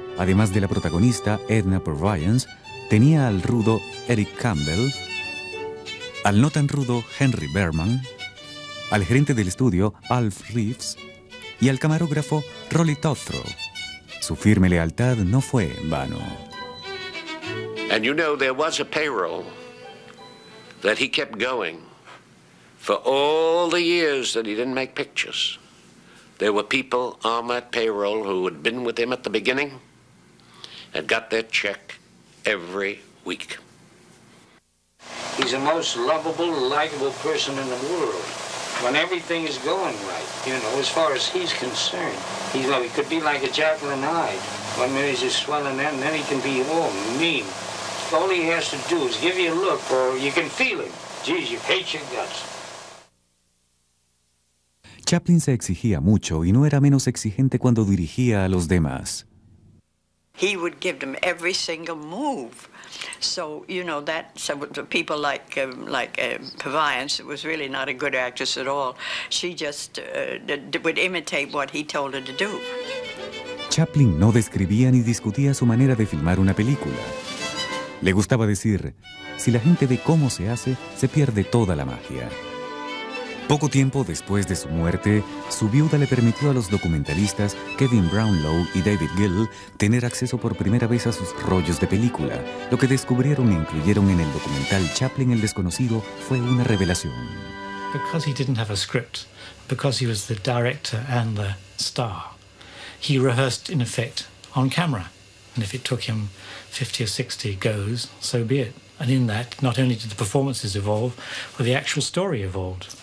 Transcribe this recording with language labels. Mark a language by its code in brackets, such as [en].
[es] Además de la protagonista Edna Purviance, tenía al rudo Eric Campbell, al no tan rudo Henry Berman, al gerente del estudio Alf Reeves y al camarógrafo Rolly Tothro. Su firme lealtad no fue en vano. [en] And you know there was a payroll that he kept going. For all the years that he didn't make pictures, there were people on that payroll who had been with him at the beginning and got their check every week. He's the most lovable, likable person in the world. When everything is going right, you know, as far as he's concerned, he's like, he could be like a jackal in hide. One minute he's just swelling and then he can be all mean. All he has to do is give you a look or you can feel him. Geez, you hate your guts. [es] Chaplin se exigía mucho y no era menos exigente cuando dirigía a los demás. [en] He would give them every single move. So, you know, that some people like Purviance was really not a good actress at all. She just would imitate what he told her to do. [es] Chaplin no describía ni discutía su manera de filmar una película. Le gustaba decir, si la gente ve cómo se hace, se pierde toda la magia. Poco tiempo después de su muerte, su viuda le permitió a los documentalistas Kevin Brownlow y David Gill tener acceso por primera vez a sus rollos de película. Lo que descubrieron e incluyeron en el documental Chaplin el Desconocido fue una revelación. [en] Because he didn't have a script, because he was the director and the star, he rehearsed in effect on camera. And if it took him 50 or 60 goes, so be it. And in that, not only did the performances evolve, but the actual story evolved.